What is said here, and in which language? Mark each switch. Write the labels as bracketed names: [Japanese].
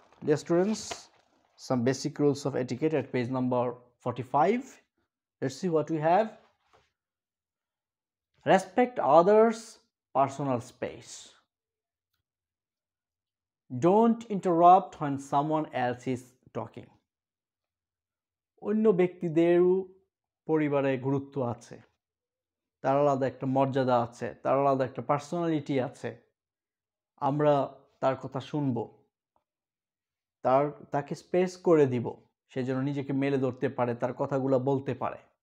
[English] Dear students, some basic rules of etiquette at page number 45, let's see what you have. Respect others personal space. Don't interrupt when someone else is talking. [Bangla] অন্য ব্যক্তিদেরও পরিবারে গুরুত্ব আছে, তার আলাদা একটা মর্যাদা আছে, তার আলাদা একটা পার্সোনালিটি আছে, আমরা তার কথা শুনব, তার তাকে স্পেস করে দিব, সে যেন নিজেকে মেলে ধরতে পারে, তার কথাগুলো বলতে পারে।